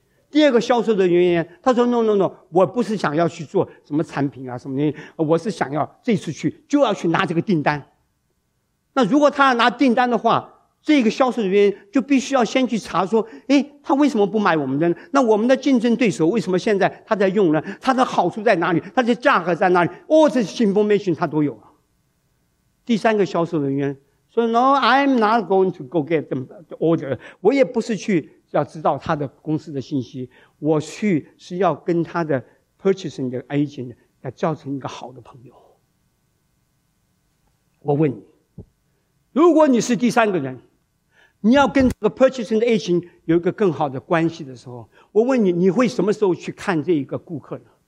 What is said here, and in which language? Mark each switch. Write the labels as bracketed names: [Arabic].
[Chinese] 第二个销售的人员他说 No, 我不是想要去做什么产品啊什么的，我是想要这次去就要去拿这个订单。那如果他要拿订单的话，这个销售人员就必须要先去查说，诶，他为什么不买我们的呢？那我们的竞争对手为什么现在他在用呢？他的好处在哪里？他的价格在哪里？哦，这些information他都有啊。 [English] 第三个销售人员说 No, I'm not going to go get the order. [Chinese] 我也不是去要知道他的公司的信息，我去是要跟他的 purchasing 的 agent 要造成一个好的朋友。我问你，如果你是第三个人，你要跟这个 purchasing 的 agent 有一个更好的关系的时候，我问你，你会什么时候去看这一个顾客呢？